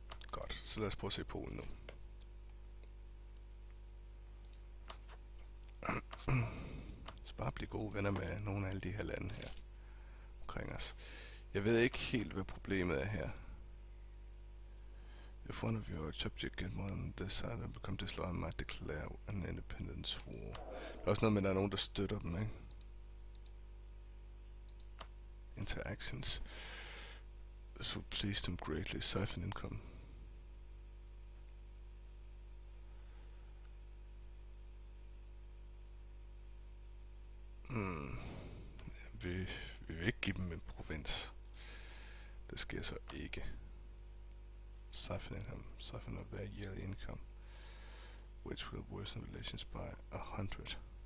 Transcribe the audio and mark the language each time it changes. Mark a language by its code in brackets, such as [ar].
[da] Godt, så lad os prøve at se Polen nu. Så bare blive gode venner med nogle af alle de her lande her omkring os. Jeg ved ikke helt, hvad problemet er her. [en] If one of your subjects get more than this side, they become disloyal and might declare an independence war. [da] Der er også noget med, at der er nogen, der støtter dem, ikke? [en] Interactions. This will please them greatly. Siphon income. [da] Vi vil ikke give dem en provins. Det sker så ikke. [en] Siphon of their yearly income, which will worsen relations by 100.